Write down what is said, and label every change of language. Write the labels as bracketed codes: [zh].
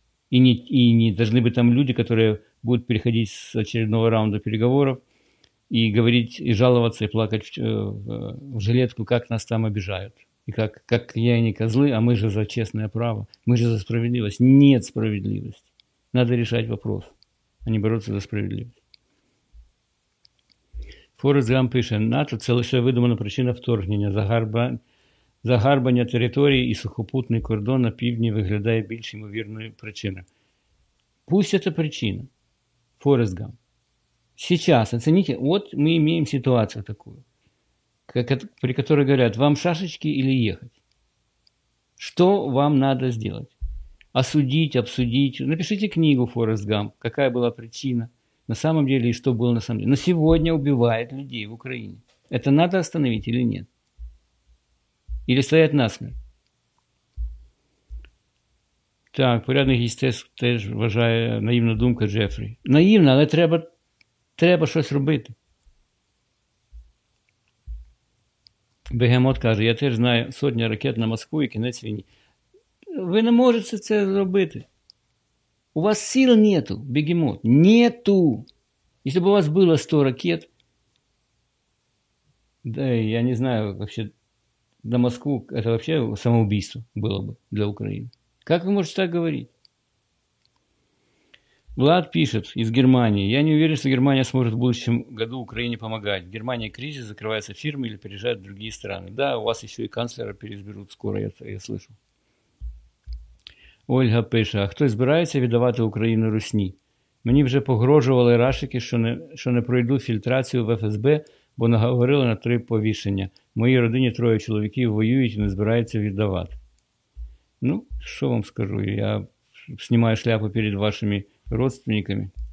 [ru] И не должны быть там люди, которые будут переходить с очередного раунда переговоров и говорить, и жаловаться, и плакать в жилетку, как нас там обижают. И как я и не козлы, а мы же за честное право, мы же за справедливость. Нет справедливости. Надо решать вопрос, а не бороться за справедливость. [uk] Форрест Гамп [ru] пишет, НАТО – целая выдуманная причина вторжения [uk] Загарбання території і сухопутний кордон на півдні виглядає більш ймовірною причиною. [ru] Пусть это причина. Форест Гамп. Сейчас, оцените, вот мы имеем ситуацию такую, как, при которой говорят, вам шашечки или ехать? Что вам надо сделать? Осудить, обсудить? Напишите книгу «Форест Гамп», какая была причина на самом деле и что было на самом деле. Но сегодня убивает людей в Украине. Это надо остановить или нет? Или стоять насмерть? [uk] Так, порядок естественно, теж вважає наївна думка Джефрі. Наївна, але треба, треба щось робити. Бегемот каже, я теж знаю сотня ракет на Москву і кінець війні. Ви не можете це зробити. У вас сил нету, бегемот. Нету. Якщо б у вас було 100 ракет, да, я не знаю, вообще, на Москву це [ru] вообще самоубийство [uk] було б для України. [ru] Как вы можете так говорить? Влад пишет из Германии. Я не уверен, что Германия сможет в будущем году Украине помогать. В Германии кризис, закрываются фирмы или переезжают в другие страны. Да, у вас еще и канцлера переизберут скоро, я слышал. Ольга пишет. А кто собирается видавати Украину Русні? [uk] Мені вже погрожували рашики, що не пройду фільтрацію в ФСБ, бо наговорили на 3 повішення. В моїй родині 3 чоловіків воюють і не збираються віддавати. Ну, що вам скажу, я знімаю шляпу перед вашими родственниками.